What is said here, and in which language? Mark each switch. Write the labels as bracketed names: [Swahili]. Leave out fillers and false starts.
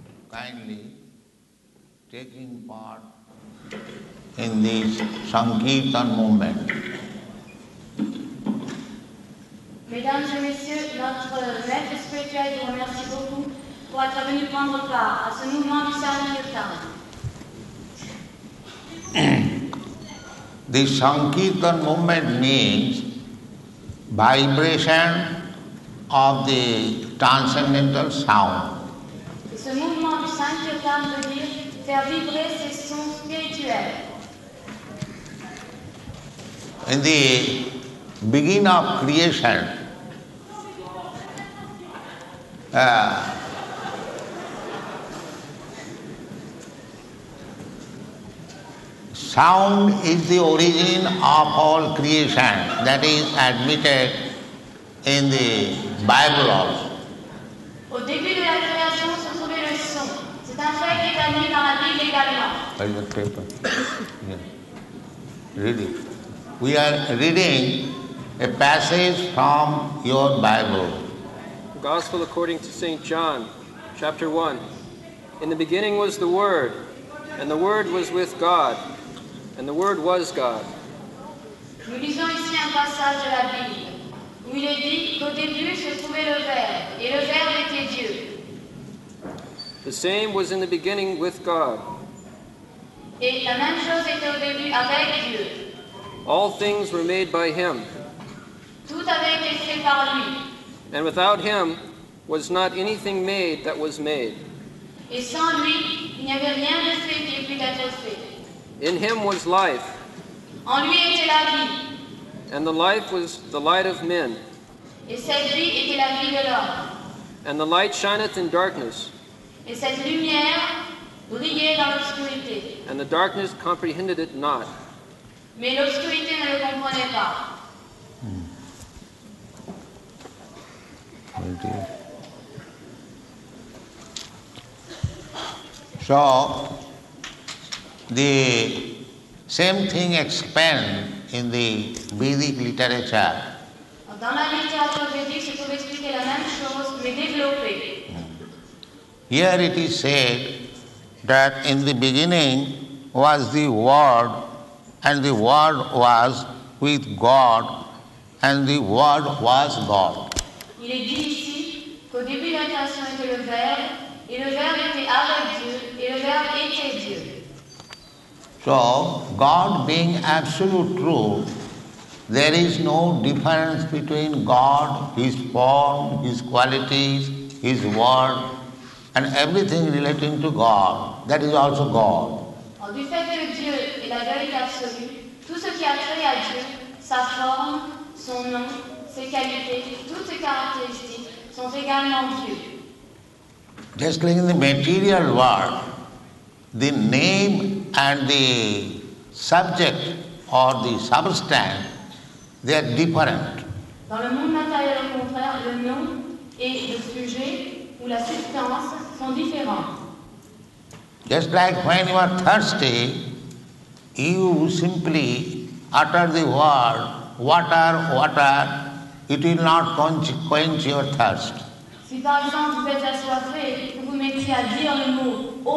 [English] kindly taking part in this Sankirtan movement. [French] Mesdames et messieurs, notre maître spirituel vous remercie beaucoup pour être venu prendre part à ce mouvement du Sankirtan. [English] This Sankirtan movement means vibration of the transcendental sound. [French] Ce mouvement du Sankirtan veut dire faire vibrer ces sons spirituels. [English] In the beginning of creation, sound is the origin of all creation, that is admitted in the Bible also. [French] Au début de la création se trouvait le son. C'est un fait qui est admis dans la Bible également. [English] Read the paper. Yeah. Read it. We are reading a passage from your Bible. Gospel according to Saint John, chapter 1. In the beginning was the Word, and the Word was with God. And the Word was God. [French] Nous lisons ici un passage de la Bible où il est dit qu'au début se trouvait le Verbe, et le Verbe était Dieu. [English] The same was in the beginning with God. [French] Et la même chose était au début avec Dieu. [English] All things were made by him. [French] Tout avait été fait par lui. [English] And without him was not anything made that was made. [French] Et sans lui, il n'y avait rien de fait qui puisse être fait. [English] In him was life. [French] En lui était la vie. [English] And the life was the light of men. [French] Et cette vie était la vie de l'homme. [English] And the light shineth in darkness. [French] Et cette lumière brillait dans l'obscurité. [English] And the darkness comprehended it not. [French] Mais l'obscurité ne le comprenait pas. [English] Oh dear. So, the same thing expands in the Vedic literature. [French] Dans la littérature védique, je peux expliquer la même chose, mais développée. [English] Here it is said that in the beginning was the Word, and the Word was with God, and the Word was God. [French] Il est dit ici qu'au début la création était le Verbe, et le Verbe était avec Dieu, et le Verbe était Dieu. [English] So, God being absolute truth, there is no difference between God, His form, His qualities, His word, and everything relating to God, that is also God. [French] Du fait que Dieu est la vérité absolue, tout ce qui a trait à Dieu, sa forme, son nom, ses qualités, toutes ses caractéristiques, sont également Dieu. [English] Just like in the material world, the name and the subject or the substance, they are different. [French] Dans le monde matériel, au contraire, le nom et le sujet ou la substance sont différents. [English] Just like when you are thirsty, you simply utter the word water, water, it will not quench your thirst. [French] Si par exemple vous êtes assoiffé, vous vous mettez à dire le mot